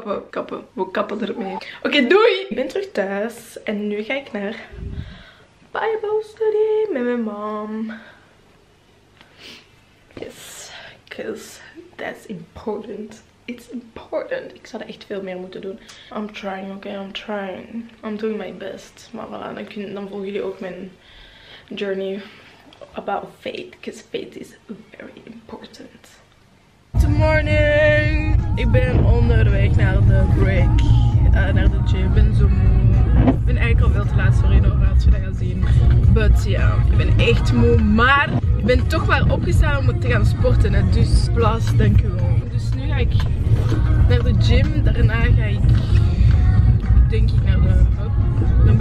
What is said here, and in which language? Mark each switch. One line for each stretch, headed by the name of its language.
Dutch: Kappen. We kappen ermee. Oké, doei! Ik ben terug thuis en nu ga ik naar Bible Study met mijn mom.
English: Yes, because that's important. It's important.
Dutch: Ik zou er echt veel meer moeten doen.
English: I'm trying, okay? I'm trying. I'm doing my best.
Dutch: Maar voilà, dan volgen jullie ook mijn journey
English: about faith. Because faith is very important. Good morning!
Dutch: Ik ben onderweg naar de break. Naar de gym. Ik ben zo moe. Ik ben eigenlijk al veel te laat. Sorry, nog als je dat gaat zien. But ja, yeah, ik ben echt moe. Maar ik ben toch wel opgestaan om te gaan sporten. Hè? Dus plas, dank u wel. Ga ik naar de gym, daarna ga ik denk ik naar de hub. Dan